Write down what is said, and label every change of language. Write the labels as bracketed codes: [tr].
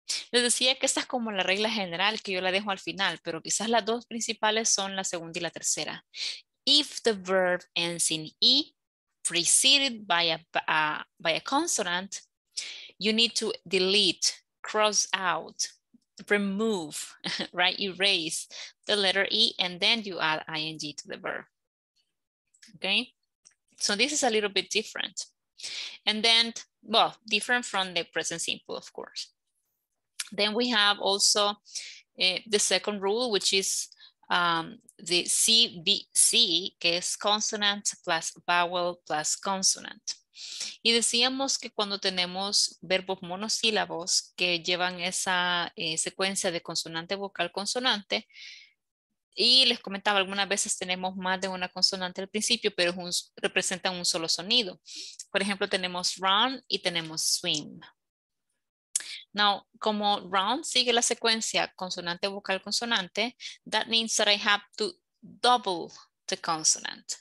[es] Les decía que esta es como la regla general que yo la dejo al final, pero quizás las dos principales son la segunda y la tercera. [en] If the verb ends in E, preceded by a consonant, you need to delete, cross out, remove, right? Erase the letter E and then you add ing to the verb. Okay, so this is a little bit different. And then, well, different from the present simple, of course. Then we have also the second rule, which is the CVC, [es] que es [en] consonant plus vowel plus consonant. [es] Y decíamos que cuando tenemos verbos monosílabos que llevan esa secuencia de consonante, vocal, consonante, y les comentaba, algunas veces tenemos más de una consonante al principio, pero representan un solo sonido. Por ejemplo, tenemos run y tenemos swim. Now, como run sigue la secuencia consonante, vocal, consonante, [en] that means that I have to double the consonant.